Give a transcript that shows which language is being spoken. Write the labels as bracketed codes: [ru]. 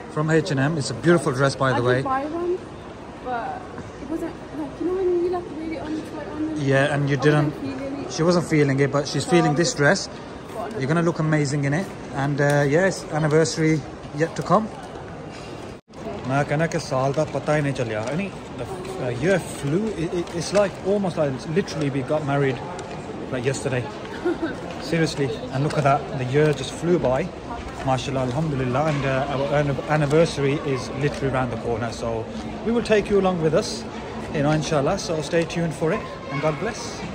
[en] From H&M. It's a beautiful dress, by the way. I did buy one, but it wasn't, like, you know, when you like really only try it on? Yeah, and you didn't. She wasn't feeling it, but she's feeling this dress. You're gonna look amazing in it, and yes, anniversary yet to come. [pa] ਮੈਂ ਕਹਿਣਾ ਕੇ ਸਾਲ ਕਾ ਪਤਾ ਹੀ ਨਹੀਂ ਚੱਲਿਆ. [en] Any year flew. It's like almost like literally we got married like yesterday. Seriously, and look at that. The year just flew by. MashaAllah, Alhamdulillah, and our anniversary is literally around the corner. So we will take you along with us, you know, inshallah. So stay tuned for it, and God bless.